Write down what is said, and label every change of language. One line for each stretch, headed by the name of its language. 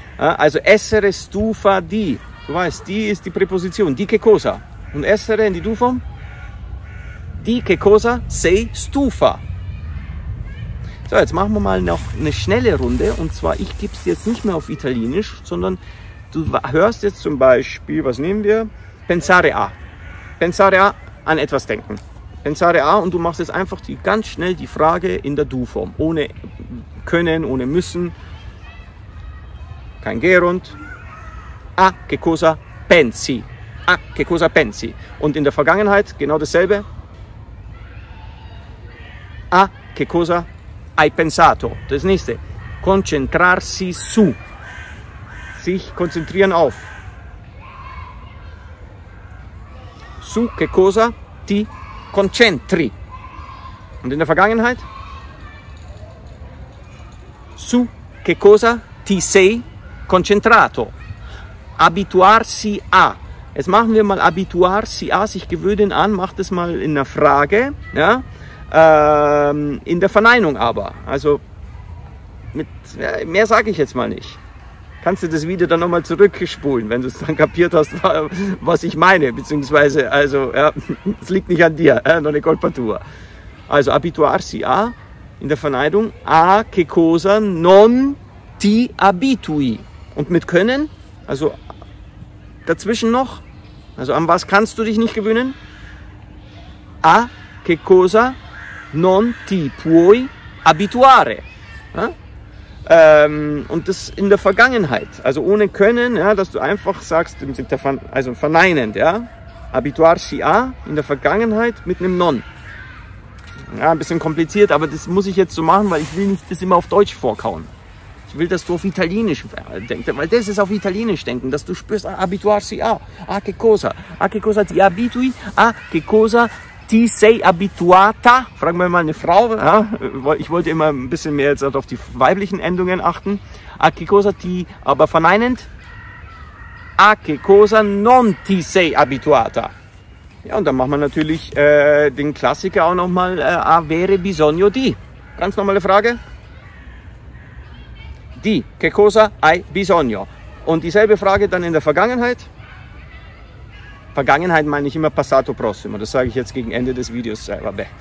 German: Also
Italian: essere stufa
German: die, du weißt, die ist die Präposition,
Italian: di che cosa.
German: Und essere in die Du-Form,
Italian: di che cosa sei stufa.
German: So, jetzt machen wir mal noch eine schnelle Runde. Und zwar, ich gebe es jetzt nicht mehr auf Italienisch, sondern du hörst jetzt zum Beispiel, was nehmen wir?
Italian: Pensare a. Pensare a,
German: an etwas denken. Pensare a, und du machst jetzt einfach die, ganz schnell die Frage in der Du-Form. Ohne können, ohne müssen. Kein Gerund.
Italian: A, che cosa pensi? A, che cosa pensi?
German: Und in der Vergangenheit genau dasselbe.
Italian: A, che cosa hai pensato.
German: Das nächste.
Italian: Concentrarsi su.
German: Sich konzentrieren auf.
Italian: Su che cosa ti concentri.
German: Und in der Vergangenheit?
Italian: Su che cosa ti sei concentrato. Abituarsi a.
German: Jetzt machen wir mal
Italian: abituarsi a.
German: Sich gewöhnen an. Mach das mal in der Frage. Ja? In der Verneinung aber. Also, mehr sage ich jetzt mal nicht. Kannst du das Video dann nochmal zurückspulen, wenn du es dann kapiert hast, was ich meine. Beziehungsweise, also, ja, es liegt nicht an dir,
Italian: non è colpa tua. Also, abituarsi a,
German: in der Verneinung,
Italian: a che cosa non ti abitui.
German: Und mit können, also dazwischen noch, also an was kannst du dich nicht gewöhnen?
Italian: A che cosa non ti puoi abituare.
German: Ja? Und das in der Vergangenheit, also ohne können, ja, dass du einfach sagst, also verneinend, ja.
Italian: Abituarsi a,
German: in der Vergangenheit mit einem non. Ja, ein bisschen kompliziert, aber das muss ich jetzt so machen, weil ich will nicht das immer auf Deutsch vorkauen. Ich will, dass du auf Italienisch denkst, weil das ist auf Italienisch denken, dass du spürst,
Italian: abituarsi a, a che cosa. A che cosa ti abitui, a che cosa ti sei abituata?
German: Frag mal eine Frau. Ja? Ich wollte immer ein bisschen mehr jetzt auf die weiblichen Endungen achten.
Italian: A che cosa ti,
German: aber verneinend?
Italian: A che cosa non ti sei abituata?
German: Ja, und dann machen wir natürlich den Klassiker auch nochmal.
Italian: Avere bisogno di.
German: Ganz normale Frage.
Italian: Di che cosa hai bisogno?
German: Und dieselbe Frage dann in der Vergangenheit. Vergangenheit meine ich immer
Italian: passato prossimo.
German: Das sage ich jetzt gegen Ende des Videos selber.